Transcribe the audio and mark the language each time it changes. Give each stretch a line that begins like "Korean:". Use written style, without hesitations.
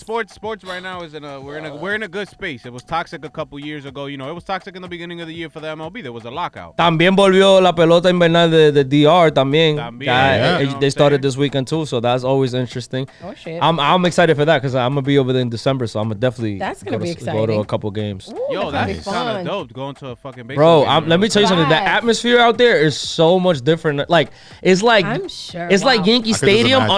English: Sports right now is we're in a good space. It was toxic a couple years ago. You know, it was toxic in the beginning of the year for the MLB. There was a lockout.
Spanish: También volvió la pelota invernal de DR también.
English: They started this weekend too, so that's always interesting. Oh, shit. I'm excited for that because I'm going to be over there in December, so I'm going to definitely go to a couple games. Ooh, yo, that's kind of dope, going to a fucking baseball game. Bro, let me tell you something. The atmosphere out there is so much different. Like, like Yankee Stadium.